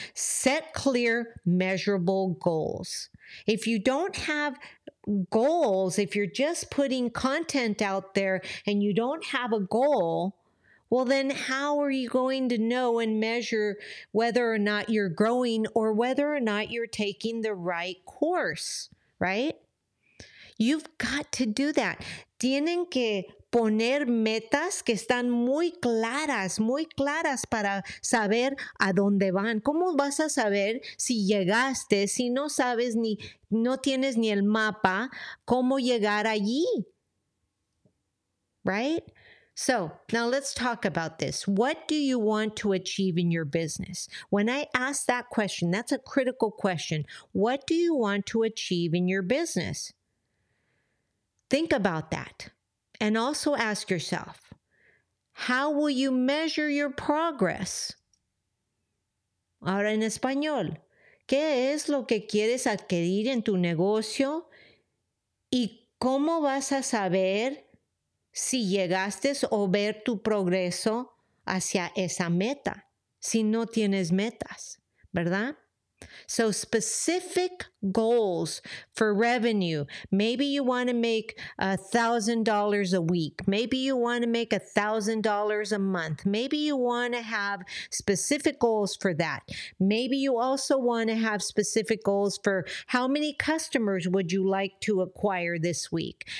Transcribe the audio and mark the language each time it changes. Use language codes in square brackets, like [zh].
[en] Set clear, measurable goals. If you don't have goals, if you're just putting content out there and you don't have a goal, well, then how are you going to know and measure whether or not you're growing or whether or not you're taking the right course, right? You've got to do that. [es] Tienen que poner metas que están muy claras para saber a dónde van. ¿Cómo vas a saber si llegaste, si no sabes ni, no tienes ni el mapa, cómo llegar allí? [en] Right? So now let's talk about this. What do you want to achieve in your business? When I ask that question, that's a critical question. What do you want to achieve in your business? Think about that and also ask yourself, how will you measure your progress? [es] Ahora en español, ¿qué es lo que quieres adquirir en tu negocio? ¿Y cómo vas a saber si llegaste o ver tu progreso hacia esa meta, si no tienes metas, ¿verdad? [en] So specific goals for revenue. Maybe you want to make $1,000 a week. Maybe you want to make $1,000 a month. Maybe you want to have specific goals for that. Maybe you also want to have specific goals for how many customers would you like to acquire this week?